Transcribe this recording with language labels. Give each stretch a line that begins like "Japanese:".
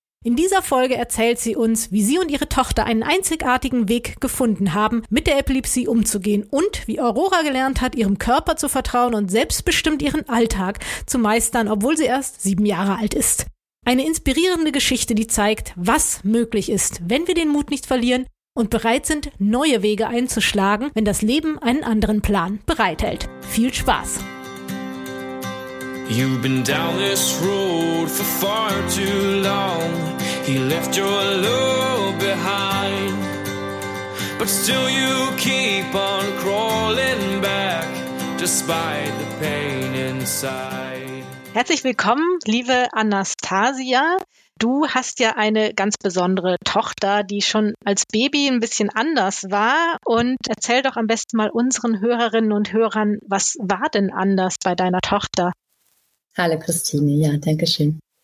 German: In dieser Folge erzählt sie uns, wie sie und ihre Tochter einen einzigartigen Weg gefunden haben, mit der Epilepsie umzugehen und wie Aurora gelernt hat, ihrem Körper zu vertrauen und selbstbestimmt ihren Alltag zu meistern, obwohl sie erst 7 Jahre alt ist. Eine inspirierende Geschichte, die zeigt, was möglich ist, wenn wir den Mut nicht verlieren und bereit sind, neue Wege einzuschlagen, wenn das Leben einen anderen Plan bereithält. Viel Spaß!
English: You've been down this road for far too long. He left your love behind. But still you keep on crawling back, despite the pain inside.
German: Herzlich willkommen, liebe Anastasia. Du hast ja eine ganz besondere Tochter, die schon als Baby ein bisschen anders war. Und erzähl doch am besten mal unseren Hörerinnen und Hörern, was war denn anders bei deiner Tochter? Hallo Christine, ja, danke schön.